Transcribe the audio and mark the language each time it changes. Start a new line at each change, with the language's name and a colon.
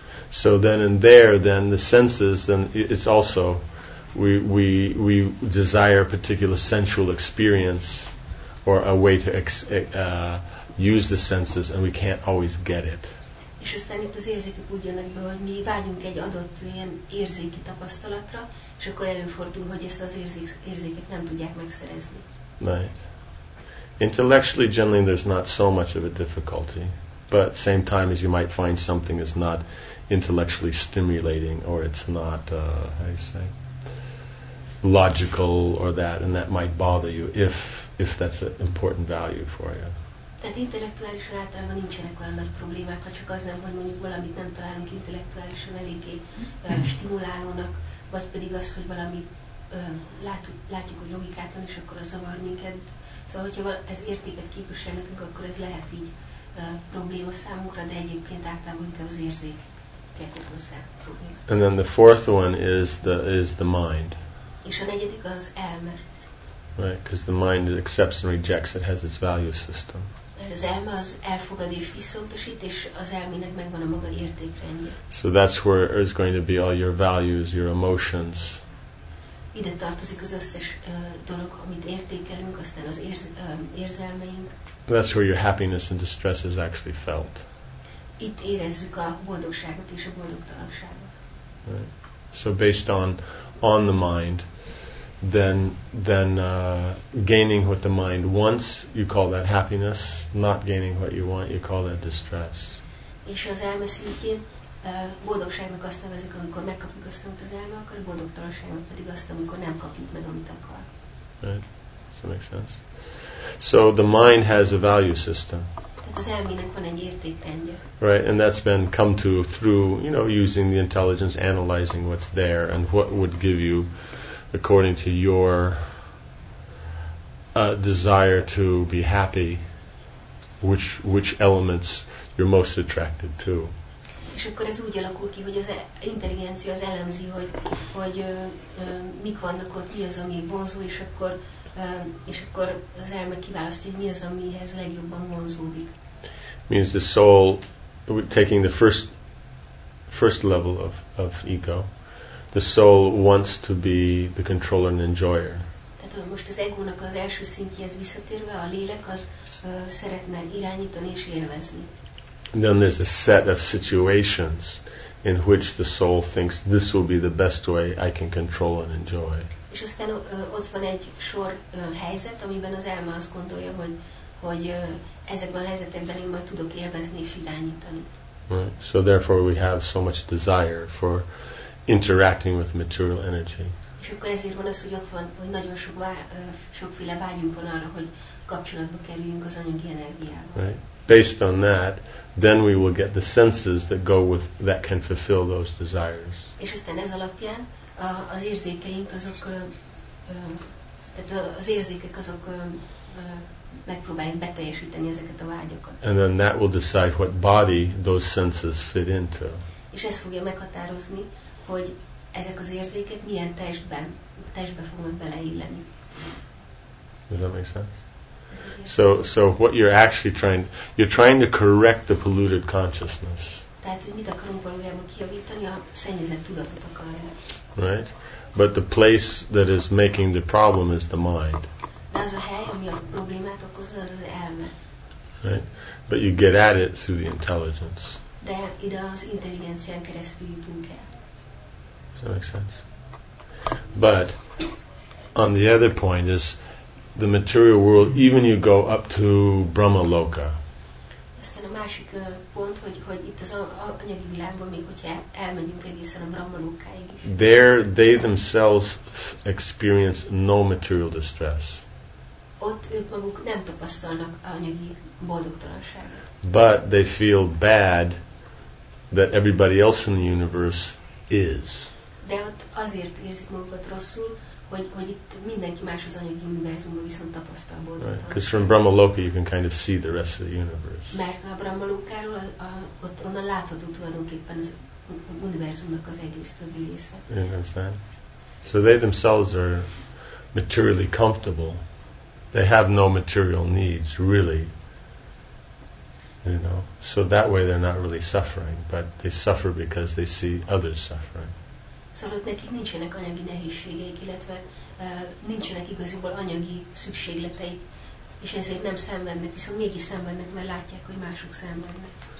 English: So then and there, then the senses, then it's also we desire a particular sensual experience or a way to use the senses and we can't always get it.
Hungarian: És aztán itt az érzékek úgy jönnek be, hogy mi vágyunk egy adott ilyen érzéki tapasztalatra, és akkor előfordul, hogy ezt az érzékek nem tudják megszerezni.
English: Right. Intellectually, generally, there's not so much of a difficulty, but same time as you might find something is not intellectually stimulating or it's not, how you say, logical or that, and that might bother you if that's an important value for you.
Hungarian: Tehát intellektuálisan általában nincsenek olyan nagy problémák, ha csak az nem, hogy mondjuk valamit nem találunk intellektuálisan eléggé stimulálónak, vagy pedig az, hogy valamit látjuk, hogy logikátlan, és akkor az zavar minket. Szóval, hogyha ez értéket képvisel nekünk, akkor ez lehet így probléma számunkra, de egyébként általában inkább az érzékek okozzák a problémát.
English: And then the fourth one is the mind.
Hungarian: És a negyedik az elme.
English: Right, because the mind accepts and rejects, it has its value system.
Hungarian: Mert az elme az elfogad és visszautasít, és az elmének megvan a maga értékrendje.
English: So that's where is going to be all your values, your emotions.
Hungarian: Ide tartozik az összes dolog, amit értékelünk, aztán az érzelmeink.
English: That's where your happiness and distress is actually felt.
Hungarian: Itt érezzük a boldogságot és a boldogtalanságot.
English: Right. So based on the mind, then gaining what the mind wants, you call that happiness. Not gaining what you want, you call that distress.
Hungarian: És az elme szintjén boldogságnak azt nevezzük, amikor megkapjuk azt, amit az elme akar, boldogtalanságnak pedig azt, amikor nem kapjuk meg, amit akar.
English: Right. Does that make sense? So the mind has a value system.
Hungarian: Tehát az elmének van egy értékrendje.
English: Right, and that's been come to through, you know, using the intelligence, analyzing what's there and what would give you according to your desire to be happy, which elements you're most attracted to.
Hungarian: És akkor ez úgy alakul ki, hogy az intelligencia az elemzi, hogy mik vannak ott, mi az, ami vonzó, és akkor az elme kiválasztja, hogy mi az, amihez legjobban vonzódik.
English: Means the soul, taking the first level of ego, the soul wants to be the controller and enjoyer.
Hungarian: Tehát most az egónak az első szintjéhez visszatérve, a lélek az szeretne irányítani és élvezni.
English: And then there's a set of situations in which the soul thinks this will be the best way I can control and enjoy.
Hungarian: És aztán ott van egy sor helyzet, amiben az elme azt gondolja, hogy ezekben a helyzetekben én majd tudok élvezni és irányítani.
English: Right. So therefore we have so much desire for interacting with material energy.
Hungarian: És akkor ezért van az, hogy ott van, hogy nagyon sokféle vágyunk van arra, hogy kapcsolatba kerüljünk az anyagi energiával.
English: Right. Based on that, then we will get the senses that go with that can fulfill those desires.
Hungarian: És aztán ez alapján az érzékeink azok, tehát az érzékek azok megpróbálják beteljesíteni ezeket a vágyakat.
English: And then that will decide what body those senses fit into.
Hungarian: És ez fogja meghatározni, hogy ezek az érzékek milyen testbe fognak beleilleni.
English: Does that make sense? So what you're actually trying, you're trying to correct the polluted consciousness.
Hungarian: Tehát, hogy mit akarunk valójában kijavítani, a szennyezett tudatot akarják.
English: Right? But the place that is making the problem is the mind.
Hungarian: De az a hely, ami a problémát okozza, az az elme.
English: Right? But you get at it through the intelligence.
Hungarian: De ide az intelligencián keresztül jutunk el.
English: Does that make sense? But on the other point is the material world, even you go up to Brahma Loka.
Hungarian: Aztán a másik pont, hogy itt az anyagi világban, még hogyha elmegyünk egészen a Brahma Lokáig is.
English: There, they themselves experience no material distress.
Hungarian: Ott ők maguk nem tapasztalnak anyagi boldogtalanságot.
English: But they feel bad that everybody else in the universe is.
Hungarian: De ott azért érzik magukat rosszul, hogy itt mindenki más az anyagi univerzumban viszont tapasztal boldogtalanságot.
English: Right. Because from Brahma Loka you can kind of see the rest of the universe.
Hungarian: Mert a Brahma Lokáról ott onnan látható tulajdonképpen az univerzumnak az egész többi része.
English: You understand? So they themselves are materially comfortable. They have no material needs, really. You know, so that way they're not really suffering, but they suffer because they see others suffering.
Hungarian: Szóval ott nekik nincsenek anyagi nehézségeik, illetve nincsenek igaziból anyagi szükségleteik, és ezért nem szenvednek, viszont mégis szenvednek, mert látják, hogy mások szenvednek.